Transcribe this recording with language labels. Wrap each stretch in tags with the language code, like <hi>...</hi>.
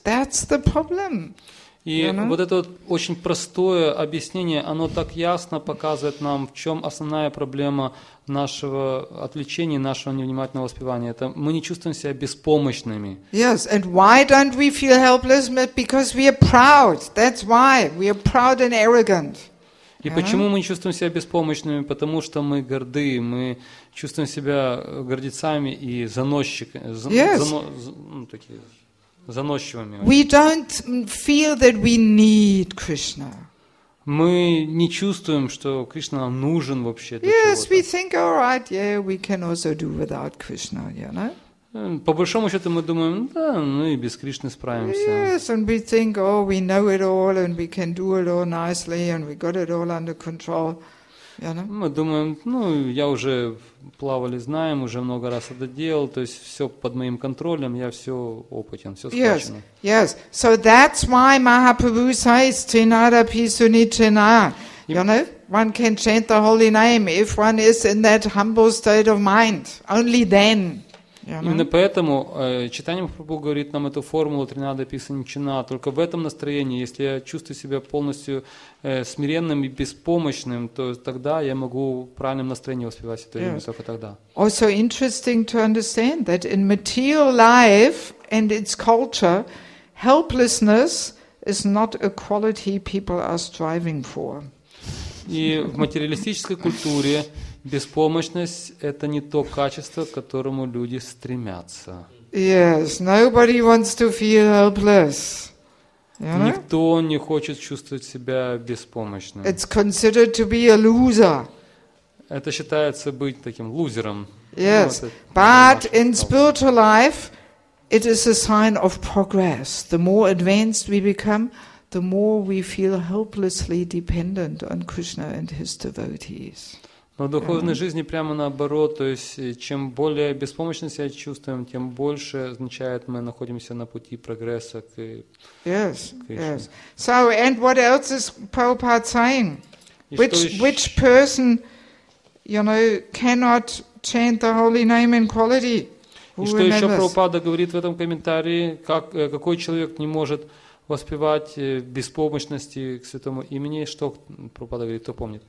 <en>That's the problem.</en> <ru>И вот это вот очень простое объяснение, оно так ясно показывает нам, в чем основная проблема нашего отвлечения, нашего невнимательного воспевания. Это мы не чувствуем себя беспомощными.</ru> <en>Yes, and why don't we feel helpless? Because we are proud. That's why. We are proud and arrogant.</en> <ru>И почему мы чувствуем себя беспомощными? Потому что мы горды, мы чувствуем себя гордецами и заносчивыми.</ru> <en>We don't feel that we need Krishna.</en> <ru>Мы не чувствуем, что Кришна нам нужен вообще.</ru> <en>Yes, we think, all right, yeah, we can also do without Krishna, you know?</en> <ru>По большому счету мы думаем, да, ну и без Кришны справимся.</ru> <en>Yes, and we think, oh, we know it all, and we can do it all nicely, and we got it all under control. You know?</en> <ru>Мы думаем, ну, я уже плавали, знаем, уже много раз это делал, то есть все под моим контролем, я все опытен, все скачено.</ru> <en>Yes, yes. So that's why Mahaprabhu says, Trinada Pisunichina. You know, one can chant the holy name if one is in that humble state of mind. Only then.</en> <ru>Именно поэтому читание Махапрабху говорит нам эту формулу «Тринада Писани Чина». Только в этом настроении, если я чувствую себя полностью смиренным и беспомощным, то тогда я могу в правильном настроении воспевать это имя, только тогда.</ru> <en>Also interesting to understand that in material life and its culture, helplessness is not a quality people are striving for.</en> <ru>И в материалистической культуре беспомощность – это не то качество, к которому люди стремятся.</ru> <en>Yes, nobody wants to feel helpless. You know?</en> <ru>Никто не хочет чувствовать себя беспомощным.</ru> <en>It's considered to be a loser.</en> <ru>Это считается быть таким лузером.</ru> <en>Yes. But in spiritual life, it is a sign of progress. The more advanced we become, the more we feel helplessly dependent on Krishna and his devotees.</en> <ru>Но в духовной жизни прямо наоборот, то есть чем более беспомощно себя чувствуем, тем больше означает, мы находимся на пути прогресса к</ru> <en>Кришне. Yes. So, and what else is Prabhupada saying? Which person, you know, cannot chant the holy name in quality?</en> <ru>И что еще Прабхупада говорит в этом комментарии, как, какой человек не может воспевать беспомощности к святому имени, что Прабхупада говорит, кто помнит?</ru>